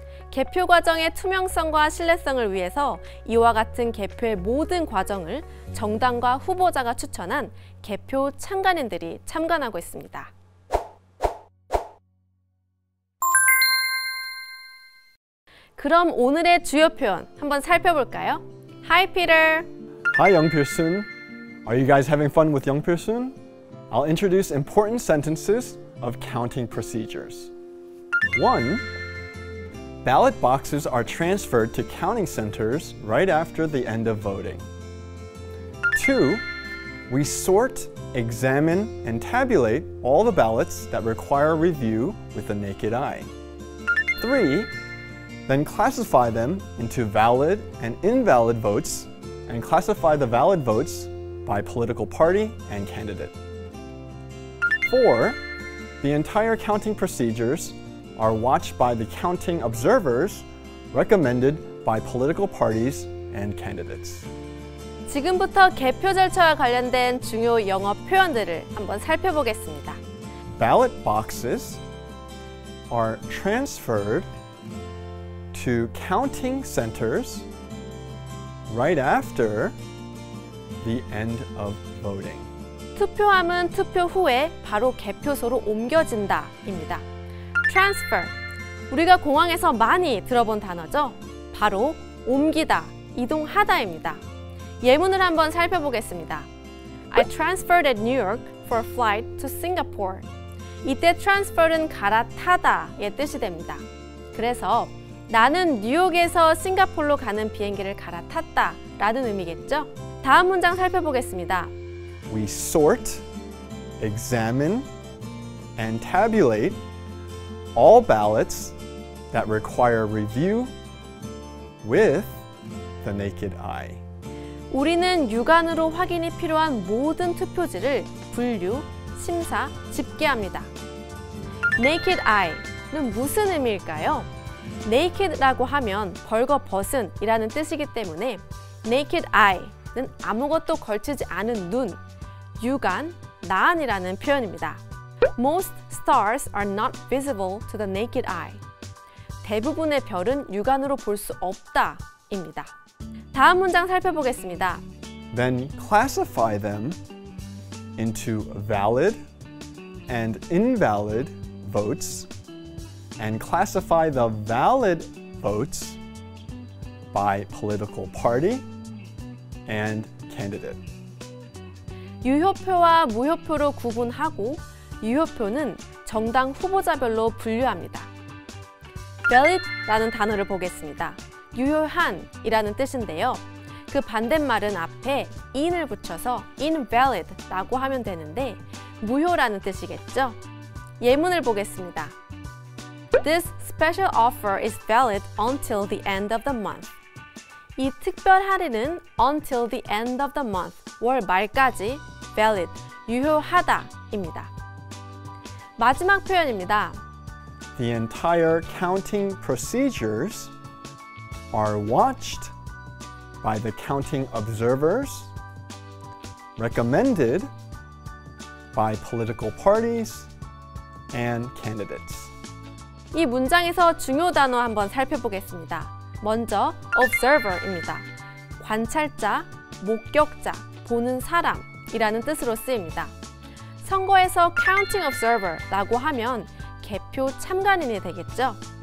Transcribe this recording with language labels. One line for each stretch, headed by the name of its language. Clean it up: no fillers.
Korean: 개표 과정의 투명성과 신뢰성을 위해서 이와 같은 개표의 모든 과정을 정당과 후보자가 추천한 개표 참관인들이 참관하고 있습니다. 그럼 오늘의 주요 표현 한번 살펴볼까요?
English: Hi, Peter. Hi, Young Pearson. Are you guys having fun with Young Pearson? I'll introduce important sentences of counting procedures. One, ballot boxes are transferred to counting centers right after the end of voting. Two, we sort, examine, and tabulate all the ballots that require review with the naked eye. Three, then classify them into valid and invalid votes and classify the valid votes by political party and candidate. Four, the entire counting procedures are watched by the counting observers recommended by political parties and candidates.
Korean: 지금부터 개표 절차와 관련된 중요 영어 표현들을 한번 살펴보겠습니다.
English: Ballot boxes are transferred to counting centers right after the end of voting.
Korean: 투표함은 투표 후에 바로 개표소로 옮겨진다입니다. Transfer, 우리가 공항에서 많이 들어본 단어죠. 바로 옮기다, 이동하다입니다. 예문을 한번 살펴보겠습니다.
English: I transferred at New York for a flight to Singapore.
Korean: 이때 transfer은 갈아타다의 뜻이 됩니다. 그래서 나는 뉴욕에서 싱가포르로 가는 비행기를 갈아탔다 라는 의미겠죠? 다음 문장 살펴보겠습니다.
English: We sort, examine, and tabulate all ballots that require review with the naked eye.
Korean: 우리는 육안으로 확인이 필요한 모든 투표지를 분류, 심사, 집계합니다. Naked eye는 무슨 의미일까요? Naked라고 하면 벌거벗은 이라는 뜻이기 때문에 Naked eye는 아무것도 걸치지 않은 눈, 육안, 나안이라는 표현입니다.
English: Most stars are not visible to the naked eye.
Korean: 대부분의 별은 육안으로 볼 수 없다 입니다. 다음 문장 살펴보겠습니다.
English: Then classify them into valid and invalid votes and classify the valid votes by political party and candidate.
Korean: 유효표와 무효표로 구분하고 유효표는 정당 후보자별로 분류합니다. valid라는 단어를 보겠습니다. 유효한이라는 뜻인데요. 그 반대말은 앞에 in을 붙여서 invalid라고 하면 되는데 무효라는 뜻이겠죠? 예문을 보겠습니다. This special offer is valid until the end of the month. 이 특별 할인은
English: until the end of the month,
Korean: 월 말까지 valid, 유효하다입니다. 마지막 표현입니다.
English: The entire counting procedures are watched by the counting observers, recommended by political parties and candidates.
Korean: 이 문장에서 중요 단어 한번 살펴보겠습니다. 먼저 observer입니다. 관찰자, 목격자, 보는 사람이라는 뜻으로 쓰입니다. 선거에서 counting observer라고 하면 개표 참관인이 되겠죠.